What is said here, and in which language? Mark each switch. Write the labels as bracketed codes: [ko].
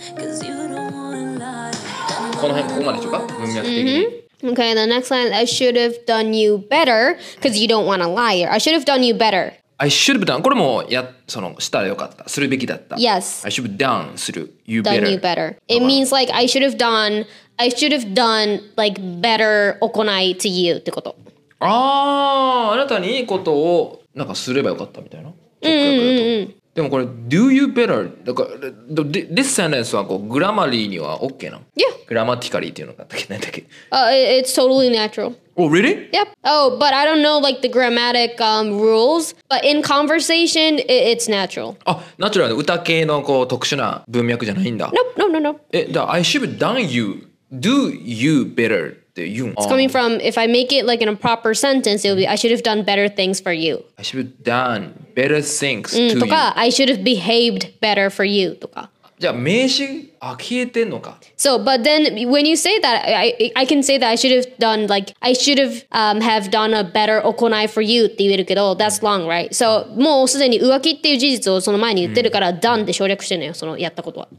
[ja] この辺ここまででしょうか、文脈的に。 [en] Okay, the next line, I should have done you better because you don't want a liar. I should have done you better. I should have done. [ja] これもやそのしたらよかった。するべきだった。 [en] Yes. I should have done する you better. Done you better. It means like I should have done like better 行いと you ってこと。 [ja] ああ、あなたにいいことをなんかすればよかったみたいな。うんうんうん。でもこれ [en] Do you better [ja] だから [en] This sentence [ja] はこうグラマリーには OK なの [en] Yeah [ja] グラマティカリーっていうのがあったっけ、 [en] It's totally natural Oh really? Yep Oh but I don't know like the grammatic rules But in conversation it's natural [ja] あ、ナチュラル歌系のこう特殊な文脈じゃないんだ [en] Nope, no, no, no [ja] え、だ [en] I should done you Do you better [ja] って言うん [en] It's coming from If I make it like in a proper sentence It'll be I should have done better things for you I should have done better things to you とか I should have behaved better for you とか [ja] じゃあ名詞あ消えてんのか [en] So but then when you say that I can say that I should have done like I should have done a better 行いfor you [ja] って言えるけど [en] That's long right So [ja] もうすでに浮気っていう事実をその前に言ってるから、うん、done で省略してるのよそのやったことは